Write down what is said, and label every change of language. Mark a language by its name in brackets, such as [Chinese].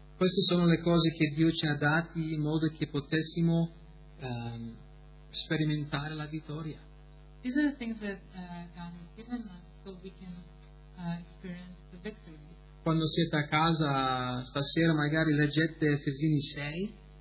[Italian] Queste sono le cose che Dio ci ha dati in modo che potessimo sperimentare la vittoria. [English] These are the things that God has given us so we can experience. [Italian] Quando siete a casa stasera magari leggete Efesini 6.